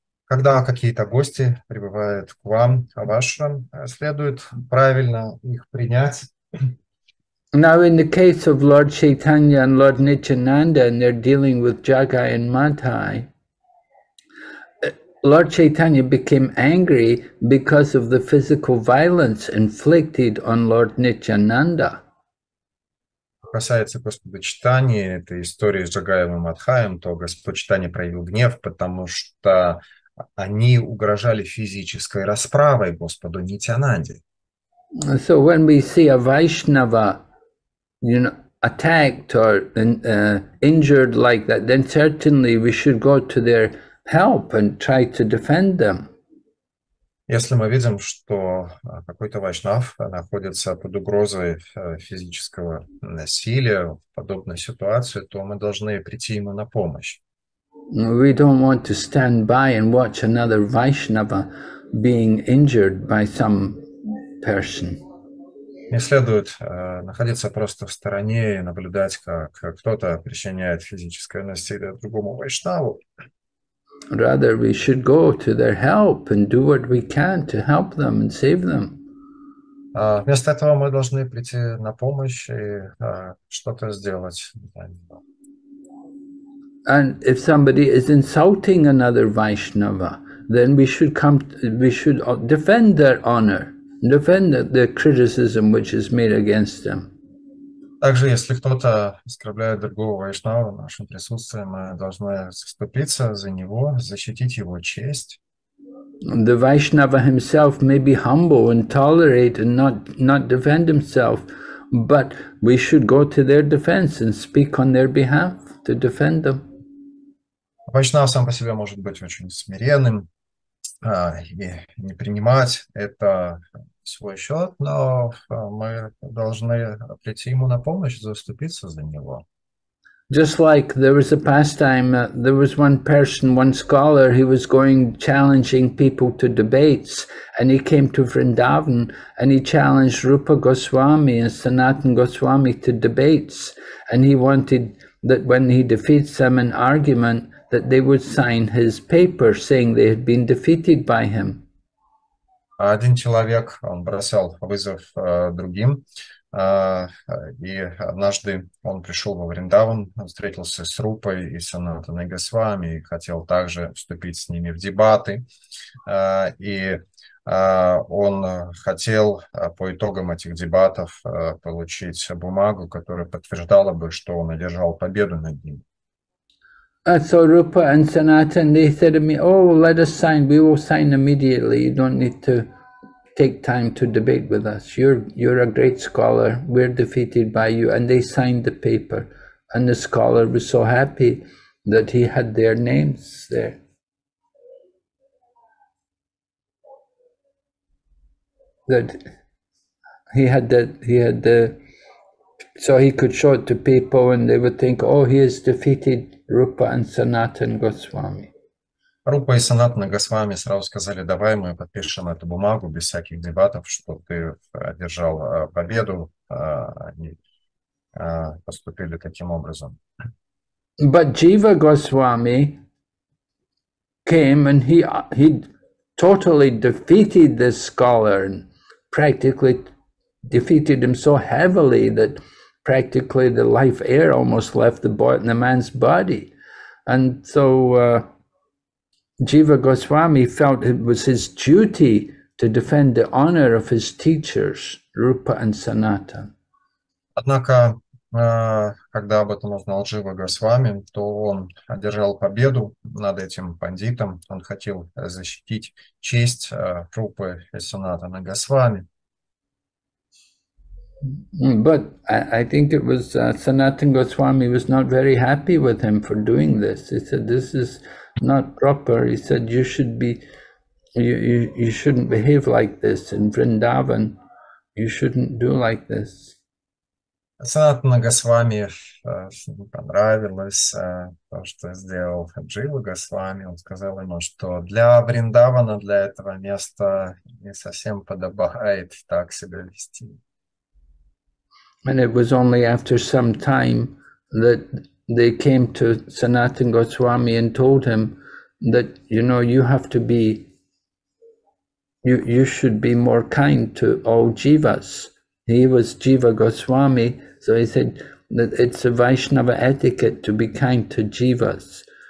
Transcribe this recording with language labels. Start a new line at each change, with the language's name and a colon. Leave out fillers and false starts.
Russian: Когда какие-то гости прибывают к вам, в ашрам, следует правильно их принять.
English: Now in the case of Lord Chaitanya and Lord Nityananda, and they're dealing with Jagai and Madhai, Lord Chaitanya became angry because of the physical violence inflicted on Lord Nityananda.
Russian: Касается Господа Читания, этой истории с Джагаем и Мадхаем, то Господь Читания проявил гнев, потому что они угрожали физической расправой Господу Нитянанде.
English: So when we see a Vaishnava, you know, attacked or injured like that, then certainly we should go to their help and try to defend them.
Russian: Если мы видим, что какой-то вайшнав находится под угрозой физического насилия в подобной ситуации, то мы должны прийти ему на помощь.
English: We don't want to stand by and watch another Vaishnava being injured by some person.
Russian: Не следует находиться просто в стороне и наблюдать, как кто-то причиняет физическое насилие другому вайшнаву.
English: Rather, we should go to their help and do what we can to help them and save them.
Russian: Вместо этого мы должны прийти на помощь и что-то сделать.
English: And if somebody is insulting another Vaishnava, then we should come. We should defend their honor, defend the criticism which is made against them.
Russian: Также, если кто-то оскорбляет другого вайшнава нашим присутствием, мы должны заступиться за него, защитить его честь.
English: The Vaishnava himself may be humble and tolerate and not defend himself, but we should go to their defense and speak on their behalf to defend them.
Russian: Вайшнав сам по себе может быть очень смиренным и не принимать это свой счет, но мы должны прийти ему на помощь, заступиться за него.
English: Just like there was a pastime, there was one person, one scholar, he was going challenging people to debates, and he came to Vrindavan, and he challenged Rupa Goswami and Sanatan Goswami to debates, and he wanted that when he defeats them in argument, that they would sign his paper saying they had been defeated by him.
Russian: Один человек, он бросал вызов другим, и однажды он пришел во Вриндаван, встретился с Рупой и Санатаной Госвами, и хотел также вступить с ними в дебаты, и он хотел по итогам этих дебатов получить бумагу, которая подтверждала бы, что он одержал победу над ним.
English: So Rupa and Sanatan, they said to me, oh, let us sign, we will sign immediately, you don't need to take time to debate with us. You're a great scholar. We're defeated by you. And they signed the paper. And the scholar was so happy that he had their names there. That he had that he had the so he could show it to people and they would think, oh, he has defeated Rupa and Sanatan Goswami.
Russian: Rupa и Sanatan Goswami сразу сказали, давай мы подпишем эту бумагу без всяких дебатов, что ты одержал победу, они поступили таким образом.
English: But Jiva Goswami came and he totally defeated this scholar and practically defeated him so heavily that practically the life air almost left the boy in the man's body. And so Jiva Goswami felt it was his duty to defend the honor of his teachers, Rupa and Sanatan.
Russian: Однако, когда об этом узнал Джива Госвами, то он одержал победу над этим бандитом. Он хотел защитить честь Рупы и Санатана Госвами.
English: But I think it was Sanatan Goswami was not very happy with him for doing this. He said, this is not proper. He said, you shouldn't behave like this in Vrindavan. You shouldn't do like this.
Russian: Sanatan Goswami не понравилось то, что сделал Джива Госвами. Он сказал ему, что для Вриндавана, для этого места не совсем подобает так себя вести.
English: And it was only after some time that they came to Sanatan Goswami and told him that, you know, you have to be, you should be more kind to all jivas. He was Jiva Goswami, so he said that it's a Vaishnava etiquette to be kind to jivas.